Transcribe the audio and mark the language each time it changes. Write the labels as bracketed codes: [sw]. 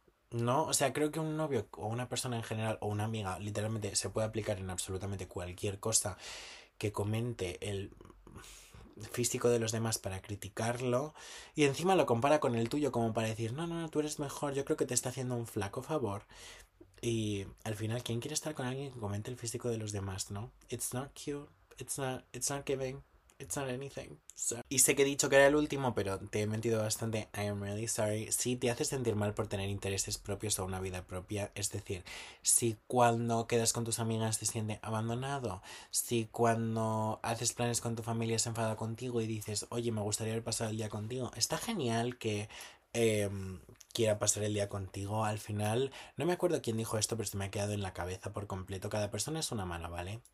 [es] No, o sea, creo que un novio o una persona en general o una amiga literalmente se puede aplicar en absolutamente cualquier cosa que comente el físico de los demás para criticarlo y encima lo compara con el tuyo como para decir no, no, no, tú eres mejor, yo creo que te está haciendo un flaco favor y al final, ¿quién quiere estar con alguien que comente el físico de los demás, no? [en] It's not cute, it's not giving, it's not anything, so. [es] Y sé que he dicho que era el último, pero te he mentido bastante, [en] I am really sorry, [es] si te hace sentir mal por tener intereses propios o una vida propia, es decir, si cuando quedas con tus amigas te sientes abandonado, si cuando haces planes con tu familia se enfada contigo y dices, oye, me gustaría haber pasado el día contigo, está genial que quiera pasar el día contigo, al final, no me acuerdo quién dijo esto, pero se me ha quedado en la cabeza por completo, cada persona es una mano, ¿vale?